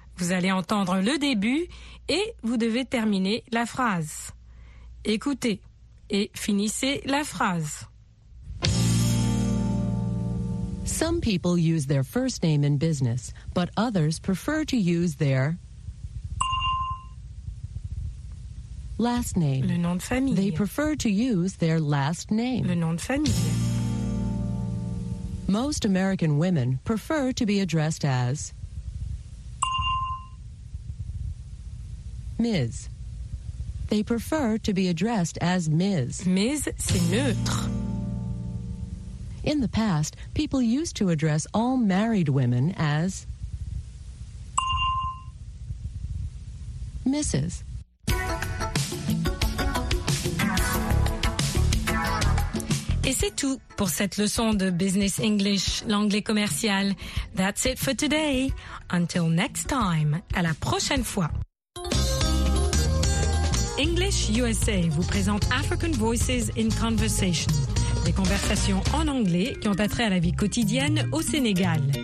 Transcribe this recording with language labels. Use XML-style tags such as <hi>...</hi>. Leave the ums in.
<fr>Vous allez entendre le début et vous devez terminer la phrase. Écoutez et finissez la phrase.</fr> <en>Some people use their first name in business, but others prefer to use their last</en> <fr>Le</fr> <en>name.</en> <fr>nom de</fr> <en>They</en> <fr>famille.</fr> <en>prefer to use their last</en> <fr>Le</fr> <en>name.</en> <fr>nom de famille.</fr> <en>Most American women prefer to be addressed as Ms. They prefer to be addressed as Ms.</en> <fr>Mise, c'est neutre.</fr> <en>In the past, people used to address all married women as Mrs.</en> <fr>Et c'est tout pour cette leçon de Business English, l'anglais commercial.</fr> <en>That's it for today. Until next time,</en> <fr>à la prochaine fois. English USA vous présente African Voices in Conversation, des conversations en anglais qui ont attrait à la vie quotidienne au Sénégal.</fr>